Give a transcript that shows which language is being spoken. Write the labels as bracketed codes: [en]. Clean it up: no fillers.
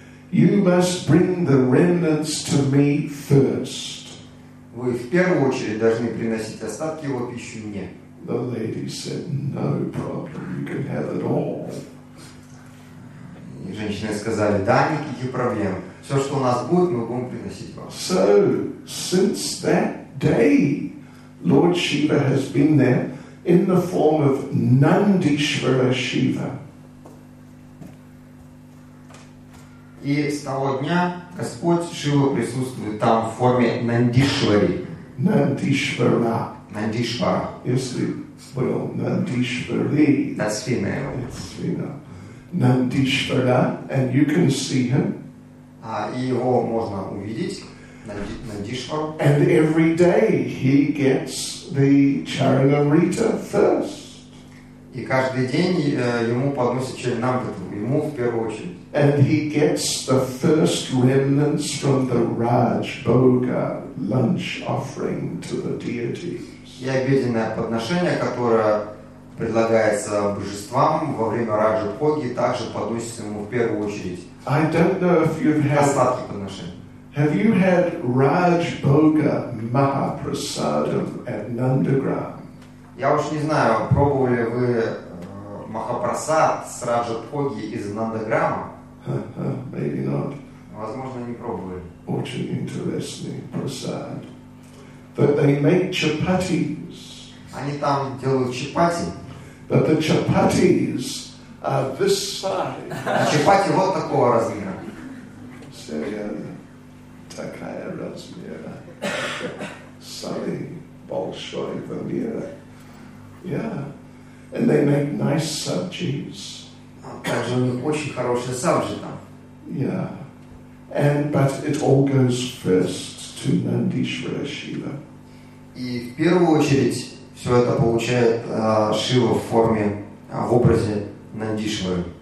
[en] you must bring the remnants to me first. [ru] Вы в первую очередь должны приносить остатки его пищи мне. [en] The lady said, no problem, you can have it all. [ru] И женщины сказали, да, никаких проблем. Все, что у нас будет, мы будем приносить вам. [en] So, since that day, Lord Shiva has been there in the form of Nandishvara Shiva. [ru] И с того дня Господь Шива присутствует там в форме Нандишвари. Нандишвара. Нандишвара. Если, well, Нандишвари. [en] That's female. It's female. Nandishvara, and you can see him. [ru] Его можно увидеть, Нандишвару. [en] And every day he gets the Charanamrita first. [ru] И каждый день ему подносят Чаранамриту, ему в первую очередь. [en] And he gets the first remnants from the Raj Bhoga lunch offering to the deities. [ru] И обеденное подношение, которое предлагается божествам во время Раджа Бхоги, также подносится ему в первую очередь. [en] I don't know if you've had [ru] остатки подношения. [en] Have you had Raj Bhoga Mahaprasadam at Nandagram? [ru] Я уж не знаю, пробовали ли вы Махапрасад с Раджа Бхоги из Нандаграма? [en] Maybe not. [ru] Возможно, не пробовали. Очень интересный прасад. [en] But they make chapatis. [ru] Они там делают чапати. [en] But the chapatis are this size. [ru] А чапати вот такого размера. Серьезно. Такая размера. Самый большой в мире. Yeah. [en] And they make nice subjis. [ru] Также у них очень хорошие сабжи там. Yeah. [en] And, but it all goes first to Nandishvara Shiva. [ru] И в первую очередь все это получает Шива в форме, в образе Нандишвары.